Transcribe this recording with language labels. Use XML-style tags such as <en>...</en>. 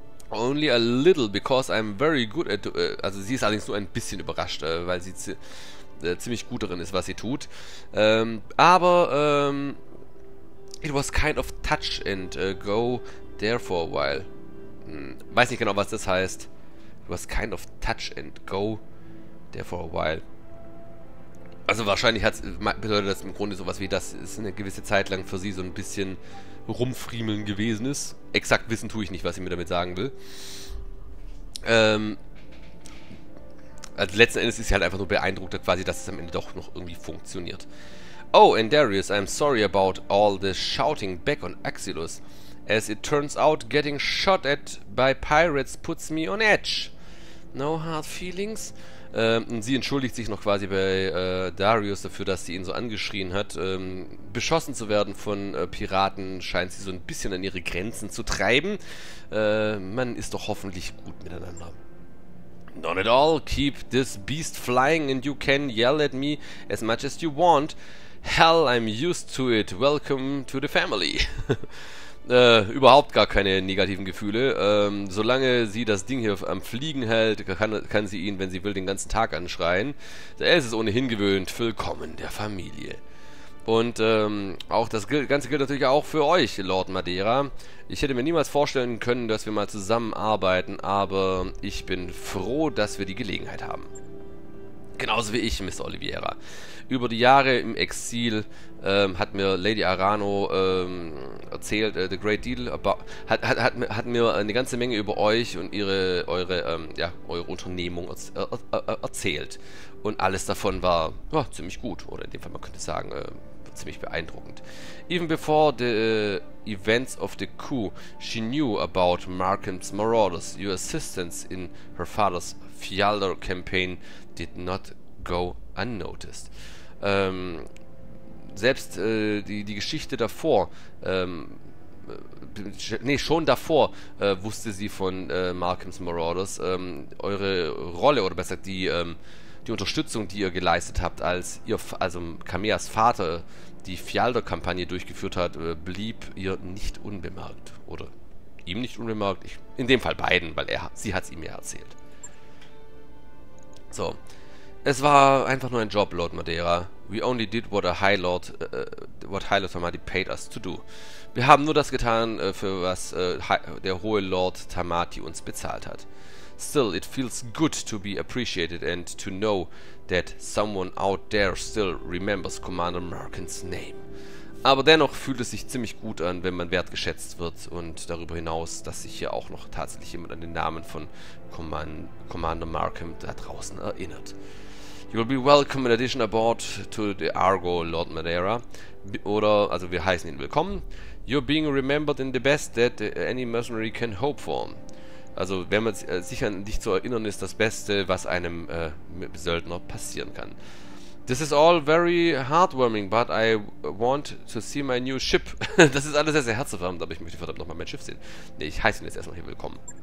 <en>Only a little, because I'm very good at...</en> <de>also sie ist allerdings nur ein bisschen überrascht, weil sie ziemlich gut darin ist, was sie tut.</de> <en>Aber, it was kind of touch and go there for a while.</en> <de>Weiß nicht genau, was das heißt.</de> <en>It was kind of touch and go there for a while.</en> <de>Also wahrscheinlich bedeutet das im Grunde sowas wie, dass es eine gewisse Zeit lang für sie so ein bisschen rumfriemeln gewesen ist. Exakt wissen tue ich nicht, was sie mir damit sagen will. Also letzten Endes ist sie halt einfach nur beeindruckt quasi, dass es am Ende doch noch irgendwie funktioniert.</de> <en>Oh, and Darius, I'm sorry about all the shouting back on Axilus. As it turns out, getting shot at by pirates puts me on edge. No hard feelings.</en> <de>Und sie entschuldigt sich noch quasi bei Darius dafür, dass sie ihn so angeschrien hat. Beschossen zu werden von Piraten scheint sie so ein bisschen an ihre Grenzen zu treiben. Man ist doch hoffentlich gut miteinander.</de> <en>Not at all. Keep this beast flying and you can yell at me as much as you want. Hell, I'm used to it. Welcome to the family.</en> <de>überhaupt gar keine negativen Gefühle. Solange sie das Ding hier am Fliegen hält, kann sie ihn, wenn sie will, den ganzen Tag anschreien. Er ist es ohnehin gewöhnt. Willkommen der Familie. Und auch das Ganze gilt natürlich auch für euch, Lord Madeira. Ich hätte mir niemals vorstellen können, dass wir mal zusammenarbeiten, aber ich bin froh, dass wir die Gelegenheit haben. Genauso wie ich, Mr. Oliveira. Über die Jahre im Exil hat mir Lady Arano erzählt,</de> <en>the great deal, about,</en> <de>hat mir eine ganze Menge über euch und eure Unternehmung erzählt. Und alles davon war ja, ziemlich gut, oder in dem Fall man könnte sagen, ziemlich beeindruckend.</de> <en>Even before the events of the coup, she knew about Markham's Marauders. Your assistance in her father's Fialdor campaign did not go unnoticed.</en> <de>Selbst die Geschichte davor, wusste sie von Markham's Marauders. Eure Rolle, oder besser gesagt, die Unterstützung, die ihr geleistet habt, als ihr, also Kameas Vater, die Fialdor-Kampagne durchgeführt hat, blieb ihr nicht unbemerkt. Oder ihm nicht unbemerkt. In dem Fall beiden, weil sie hat es ihm ja erzählt.</de> <en>So.</en> <de>Es war einfach nur ein Job,</de> <en>Lord Madeira. We only did what High Lord Tamati paid us to do.</en> <de>Wir haben nur das getan, für was der hohe Lord Tamati uns bezahlt hat.</de> <en>Still, it feels good to be appreciated and to know that someone out there still remembers Commander Merkins name.</en> <de>Aber dennoch fühlt es sich ziemlich gut an, wenn man wertgeschätzt wird und darüber hinaus, dass sich hier auch noch tatsächlich jemand an den Namen von Commander Markham da draußen erinnert.</de> <en>You'll be welcome in addition aboard to the Argo, Lord Madeira.</en> <de>Oder, also wir heißen ihn willkommen.</de> <en>You're being remembered in the best that any mercenary can hope for.</en> <de>Also, wenn man sich an dich zu erinnern ist, das Beste, was einem Söldner passieren kann.</de> <en>This is all very heartwarming, but I want to see my new ship.</en> <de>Das ist alles sehr, sehr herzerwärmend, aber ich möchte verdammt nochmal mein Schiff sehen. Nee, ich heiße ihn jetzt erstmal hier willkommen.</de>